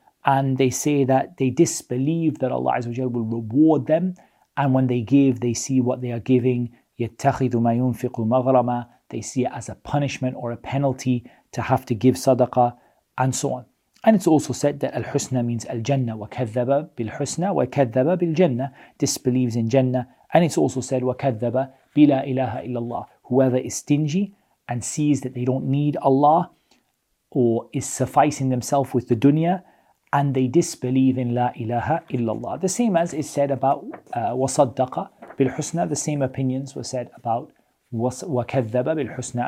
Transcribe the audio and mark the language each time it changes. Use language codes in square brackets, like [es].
[en] And they say that they disbelieve that Allah Azza wa Jalla will reward them. And when they give, they see what they are giving. [ar] يَتَّخِذُ مَا يُنْفِقُ مَغْرَمًا. [en] They see it as a punishment or a penalty to have to give sadaqah, and so on. And it's also said that al-husna means al-jannah. [ar] وَكَذَّبَ بِالْحُسْنَى وَكَذَّبَ بِالْجَنَّةِ, [en] disbelieves in Jannah. And it's also said [ar] وَكَذَّبَ بِلَا إِلَهَ إِلَّا اللَّهِ, [en] whoever is stingy and sees that they don't need Allah or is sufficing themselves with the dunya, and they disbelieve in La ilaha illallah. The same as is said about wasaddaqa bilhusna, the same opinions were said about wakadhaba bilhusna.